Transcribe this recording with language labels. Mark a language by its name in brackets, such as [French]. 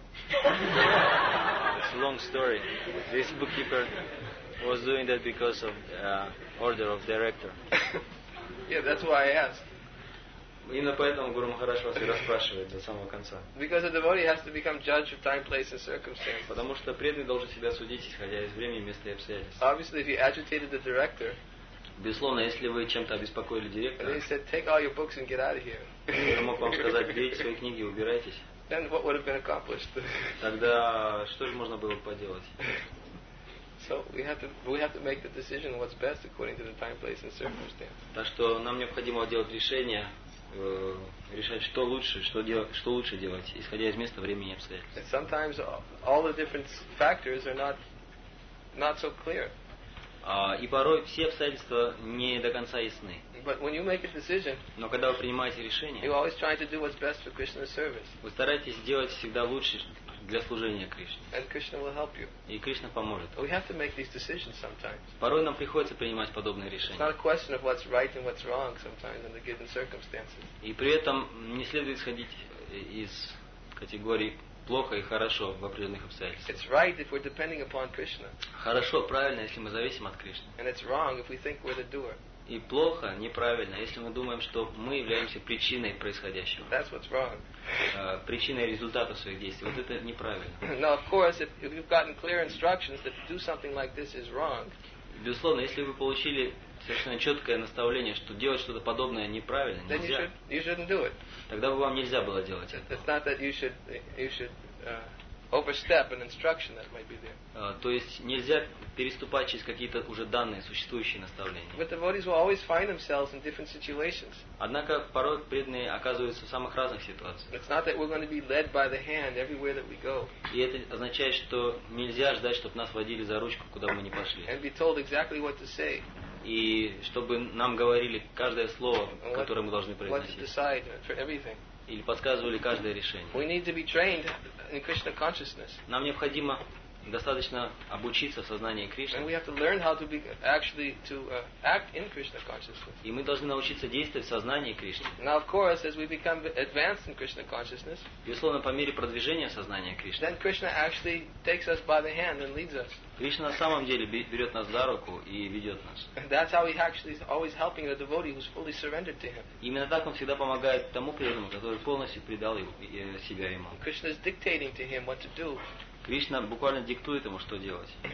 [English] It's a long story. This bookkeeper was doing that because of order of director. Yeah, that's why I asked. [Russian] Именно поэтому Гуру Махарадж вас и расспрашивает до самого конца. [English] Because the devotee has to become judge of time, place and circumstance. [Russian] Потому что преданный должен себя судить, исходя из времени, места и обстоятельств. [English] Obviously, if you agitated the director. [Russian] Безусловно, если вы чем-то обеспокоили директора. [English] And he said, take all your books and get out of here. [Russian] Он мог вам сказать, берите свои книги и убирайтесь. [English] Then what would have been accomplished? [Russian] Тогда что же можно было бы поделать? [English] So we have to make the decision what's best according to the time, place and circumstance. [Russian] Так что нам необходимо делать решение, решать, что лучше делать, исходя из места, времени и обстоятельств. [English] And sometimes all the different factors are not so clear. [Russian] И порой все обстоятельства не до конца ясны. [English] But when you make a decision, [Russian] но когда вы принимаете решение, [English] you always try to do what's best for Krishna's service. [Russian] Вы стараетесь делать всегда лучше для служения Кришне. [English] And Krishna will help you. [Russian] И Кришна поможет. [English] We have to make these decisions sometimes. [Russian] Порой нам приходится принимать подобные решения. [English] It's not a question of what's right and what's wrong sometimes in the given circumstances. [Russian] И при этом не следует исходить из категории плохо и хорошо в определенных обстоятельствах. [English] It's right if we're depending upon Krishna. [Russian] Хорошо, правильно, если мы зависим от Кришны. [English] And it's wrong if we think we're the doer. [Russian] И плохо, неправильно, если мы думаем, что мы являемся причиной происходящего. [English] That's what's wrong. [Russian] Причиной результата своих действий. Вот это неправильно. [English] Now, of course, if you've gotten clear instructions that to do something like this is wrong. [Russian] Безусловно, если вы получили совершенно четкое наставление, что делать что-то подобное неправильно, [English] then [Russian] нельзя. [English] You shouldn't do it. [Russian] Тогда бы вам нельзя было делать это. [English] It's not that you should overstep an instruction that might be there. [Russian] То есть нельзя переступать через какие-то уже данные, существующие наставления. [English] But devotees will always find themselves in different situations. [Russian] Однако порой преданные оказываются в самых разных ситуациях. [English] It's not that we're going to be led by the hand everywhere that we go. [Russian] И это означает, что нельзя ждать, чтобы нас водили за ручку, куда бы мы ни пошли. [English] And be told exactly what to say. [Russian] И чтобы нам говорили каждое слово, которое мы должны произносить. [English] What to decide for everything. [Russian] Или подсказывали каждое решение. [English] We need to be trained in Krishna consciousness. [Russian] Нам необходимо достаточно обучиться в сознании Кришны. [English] And we have to learn how to be actually to act in Krishna consciousness. [Russian] И мы должны научиться действовать в сознании Кришны. [English] Now, of course, as we become advanced in Krishna consciousness, [Russian] безусловно, по мере продвижения сознания Кришны, [English] then Krishna actually takes us by the hand and leads us. [Russian] Кришна на самом деле берет нас за руку и ведет нас. [English] That's how he actually is always helping the devotee who's fully surrendered to him. [Russian] Именно так он всегда помогает тому преданному, который полностью предал себя ему. [English] Krishna is dictating to him what to do. [Russian] Кришна буквально диктует ему, что делать.